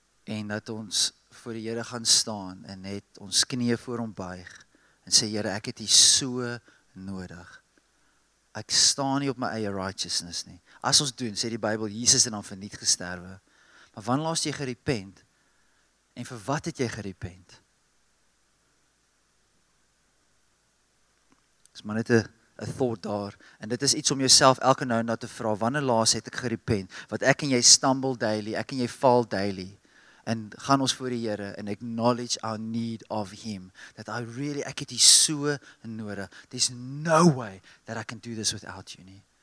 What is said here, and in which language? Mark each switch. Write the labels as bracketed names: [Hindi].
[Afrikaans] En dat ons voor die Here gaan staan en net ons knieën voor hom buig, en sê, Here, ek het U so nodig, ek staan nie op my eie righteousness nie. As ons doen, sê die Bybel, Jesus het dan verniet gesterwe. Maar wanneer laas jy gerepent? En vir wat het jy gerepent? Dis maar net 'n thought daar. En dit is iets om jouself elke nou en dan te vra, wanneer laas het ek gerepent? Wat ek en jy stumble daily, ek en jy val daily. En gaan ons voor die Here en [English] acknowledge our need of Him. That I really, [Afrikaans] ek het die so nodig. [English] There's no way that I can do this without you nie.